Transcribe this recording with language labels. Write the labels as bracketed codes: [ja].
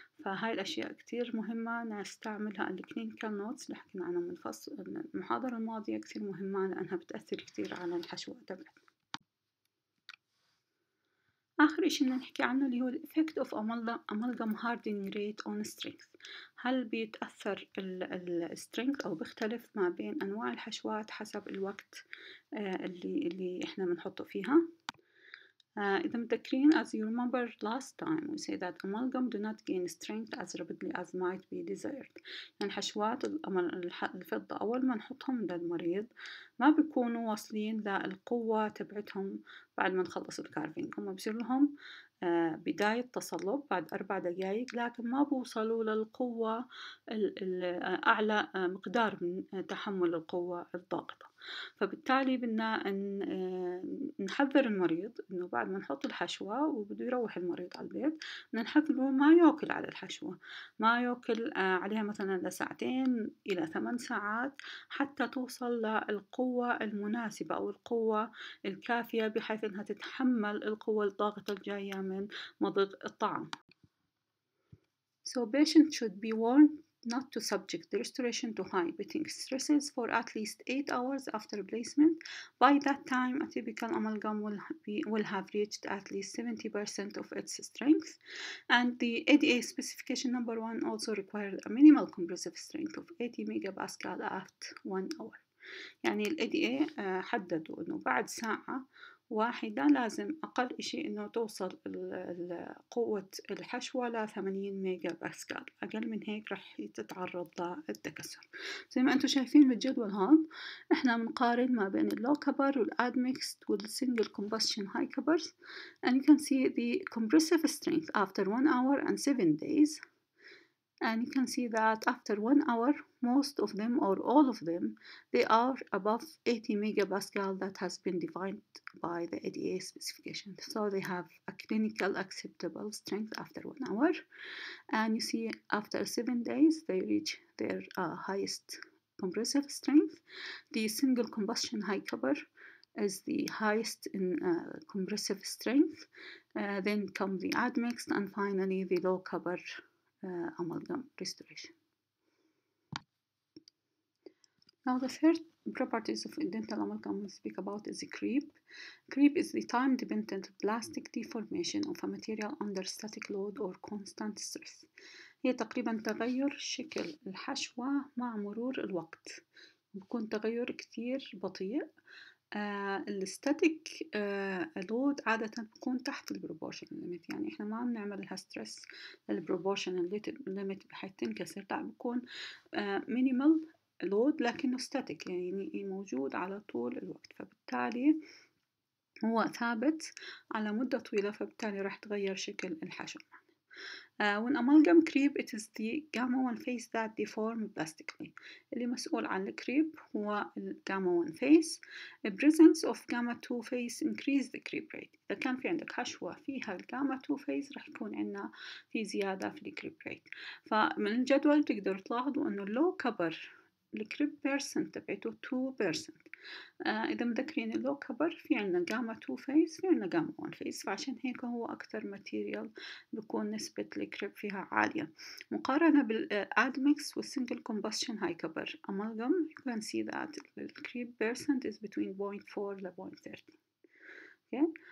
[ar] فهاي الأشياء كتير مهمة نستعملها. الكلينيكال نوتس اللي حكينا عنها من فصل المحاضرة الماضية كتير مهمة، لأنها بتأثر كتير على الحشوة تبعتنا. آخر إشي بدنا نحكي عنه اللي هو [en] effect of amalgam hardening rate on strength. [ar] هل بيتأثر ال strength أو بيختلف ما بين أنواع الحشوات حسب الوقت اللي إحنا بنحطه فيها؟ إذا متذكرين [en] as you remember last time we say that amalgam do not gain strength as rapidly as might be desired. [ar] يعني حشوات الفضة أول ما نحطهم للمريض ما بيكونوا واصلين للقوة تبعتهم بعد ما نخلص الكارفينج، هم بصير لهم بداية تصلب بعد 4 دقائق، لكن ما بوصلوا للقوة الأعلى مقدار من تحمل القوة الضاغطة. فبالتالي بدنا نحذر المريض انه بعد ما نحط الحشوة وبده يروح المريض على البيت، نحذره ما يأكل على الحشوة، ما يأكل عليها مثلا لساعتين الى 8 ساعات حتى توصل للقوة المناسبة او القوة الكافية بحيث انها تتحمل القوة الضاغطة الجاية من مضغ الطعام. [en] So patient should be warned not to subject the restoration to high beating stresses for at least 8 hours after placement. By that time, a typical amalgam will have reached at least 70% of its strength. And the ADA specification number 1 also required a minimal compressive strength of 80 MPa at 1 hour. [ar] يعني الـ ADA حددوا أنه بعد ساعة واحدة لازم أقل إشي إنه توصل قوة الحشوة ل 80 MPa، أقل من هيك رح تتعرض للتكسر. زي ما أنتم شايفين بالجدول هون إحنا بنقارن ما بين اللو كبر والأد ميكست والسنجل كومبستشن هاي كبرز. [en] And you can see the compressive strength after 1 hour and 7 days. And you can see that after 1 hour, most of them or all of them, they are above 80 MPa that has been defined by the ADA specification. So they have a clinical acceptable strength after 1 hour. And you see after 7 days, they reach their highest compressive strength. The single combustion high cover is the highest in compressive strength. Then come the admixed and finally the low cover amalgam restoration. Now the third properties of dental amalgam we speak about is the creep. Creep is the time-dependent plastic deformation of a material under static load or constant stress. [ar] هي تقريبا تغير شكل الحشوة مع مرور الوقت، بيكون تغير كتير بطيء. الستاتيك لود عادة بكون تحت البروبورشن ليميت، يعني احنا ما بنعمل لها ستريس للبروبورشن ليميت بحيث تنكسر، لا بكون مينيمال لود لكنه ستاتيك، يعني موجود على طول الوقت، فبالتالي هو ثابت على مدة طويلة، فبالتالي راح تغير شكل الحشو. [en] When amalgam creep, it is the gamma 1 phase that deforms plastically. [ar] اللي مسؤول عن الكريب هو gamma 1 phase. [en] The presence of gamma 2 phase increase the creep rate. [ar] إذا كان في عندك حشوة فيها gamma 2 phase رح يكون عندنا في زيادة في الكريب rate. فمن الجدول تقدر تلاحظوا أنه low cover الكريب percent تبعته 2%. إذا مذكرين اللو كبر في عنا جاما 2 فيز في عنا جاما 1 فيز، فعشان هيك هو أكثر ماتيريال بيكون نسبة الكريب فيها عالية مقارنة بالأدميكس والسنجل كومبستشن هاي كبر أمالغم. [en] You can see that the creep percent is between 0.4 to 0.30. Okay.